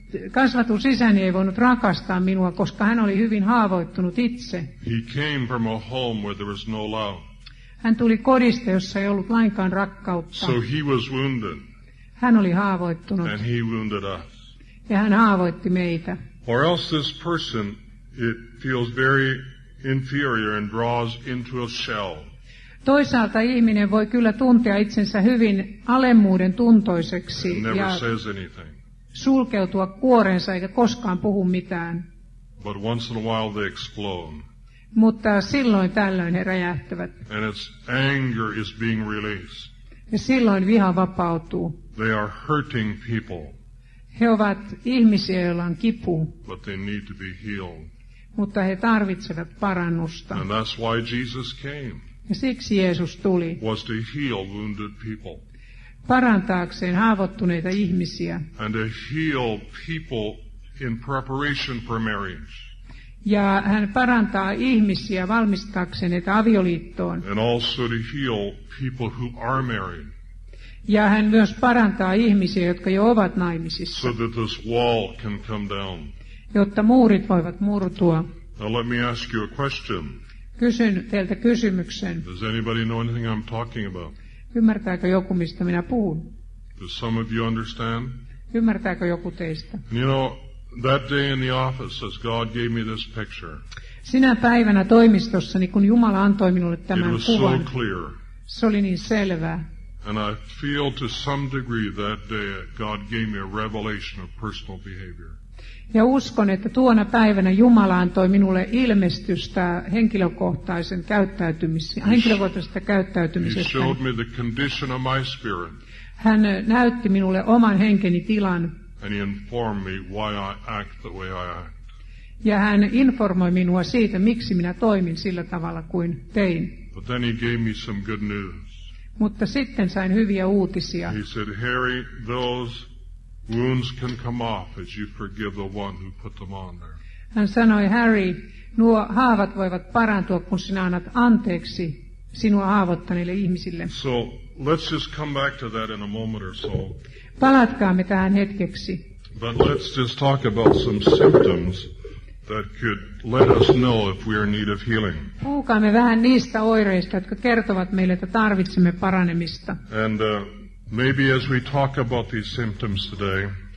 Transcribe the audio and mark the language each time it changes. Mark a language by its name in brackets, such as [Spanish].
[Finnish] kasvatun isäni ei voinut rakastaa minua, koska hän oli hyvin haavoittunut itse. [English] He came from a home where there was no love. [Finnish] Hän tuli kodista, jossa ei ollut lainkaan rakkautta. [English] So he was wounded. [Finnish] Hän oli haavoittunut. [English] And he wounded us. [Finnish] Ja hän haavoitti meitä. [English] Or else this person, it feels very inferior and draws into a shell. [Finnish] Toisaalta ihminen voi kyllä tuntea itsensä hyvin alemmuuden tuntoiseksi ja sulkeutua kuoreensa eikä koskaan puhu mitään. [English] But once in a while they explode. [Finnish] Mutta silloin tällöin he räjähtävät. [English] And its anger is being released. [Finnish] Ja silloin viha vapautuu. [English] They are hurting people. [Finnish] He ovat ihmisiä, joilla on kipu. [English] But they need to be healed. [Finnish] Mutta he tarvitsevat parannusta. [English] And that's why Jesus came. [Finnish] Ja siksi Jeesus tuli. [English] Was to heal wounded people. [Finnish] Parantaakseen haavoittuneita ihmisiä. [English] And to heal people in preparation for marriage. [Finnish] Ja hän parantaa ihmisiä valmistaakseen heitä avioliittoon. [English] And also to heal people who are married. [Finnish] Ja hän myös parantaa ihmisiä, jotka jo ovat naimisissa. [English] So that this wall can come down. [Finnish] Jotta muurit voivat murtua. [English] Now let me ask you a question. [Finnish] Kysyn teiltä kysymyksen. [English] Does anybody know anything I'm talking about? [Finnish] Ymmärtääkö joku, mistä minä puhun? [English] Does some of you understand? [Finnish] Ymmärtääkö joku teistä? [English] You know, that day in the office, as God gave me this picture. [Finnish] Sinä päivänä toimistossani, kun Jumala antoi minulle tämän kuvan. [English] It was [Finnish] kuvan, [English] so clear. [Finnish] Se oli niin selvää. [English] And I feel to some degree that day God gave me a revelation of personal behavior. [Finnish] Ja uskon, että tuona päivänä Jumala antoi minulle ilmestystä henkilökohtaisen käyttäytymisen, henkilökohtaisesta käyttäytymisestä. [English] He showed me the condition of my spirit. [Finnish] Hän näytti minulle oman henkeni tilan. [English] And he informed me why I act the way I act. [Finnish] Ja hän informoi minua siitä, miksi minä toimin sillä tavalla kuin tein. [English] But then he gave me some good news. [Finnish] Mutta sitten sain hyviä uutisia. [English] He said, Harry, those wounds can come off as you forgive the one who put them on there. [Finnish] Hän sanoi, Harry, nuo haavat voivat parantua, kun sinä annat anteeksi sinua haavoittaneille ihmisille. [English] So, let's just come back to that in a moment or so. [Finnish] Palatkaamme tähän hetkeksi. [English] But let's just talk about some symptoms that could let us know if we are in need of healing. [Finnish] Puhukaamme vähän niistä oireista, jotka kertovat meille, että tarvitsemme paranemista. [English] And maybe as we talk about these symptoms today,